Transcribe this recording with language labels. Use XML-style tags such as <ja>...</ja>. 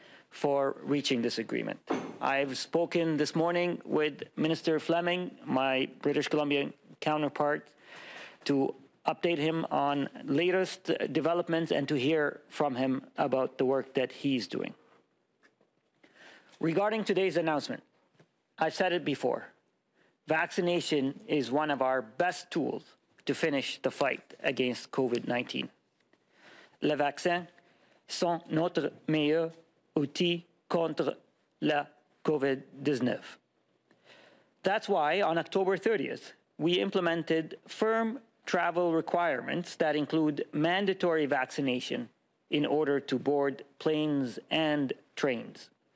<en>for reaching this agreement. I've spoken this morning with Minister Fleming, my British Columbian counterpart, to update him on latest developments and to hear from him about the work that he's doing. Regarding today's announcement, I said it before, vaccination is one of our best tools to finish the fight against COVID-19.</en> <fr>Le vaccin sont notre meilleur outil contre la COVID-19.</fr> <en>That's why on October 30th, we implemented firm travel requirements that include mandatory vaccination in order to board planes and trains.</en>